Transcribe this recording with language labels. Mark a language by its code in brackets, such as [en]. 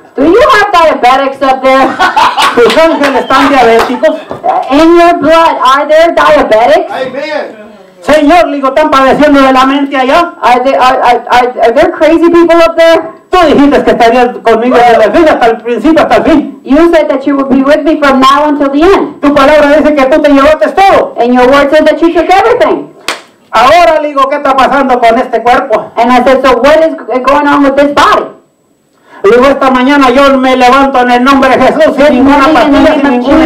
[en] Do you have diabetics up there? [es] ¿Tus ángeles están diabéticos? [en] In your blood, are there diabetics? Amen. [es] Señor, digo, ¿están padeciendo de la mente allá? [en] Are there crazy people up there? [es] Tú dijiste que estarías conmigo desde la fin hasta el principio, hasta el fin. [en] You said that you would be with me from now until the end. [es] Tu palabra dice que tú te llevaste todo. [en] And your word said that you took everything. [es] Ahora, digo, ¿qué está pasando con este cuerpo? [en] And I said, so what is going on with this body? [es] Digo, esta mañana yo me levanto en el nombre de Jesús sin ninguna pastilla, sin ninguna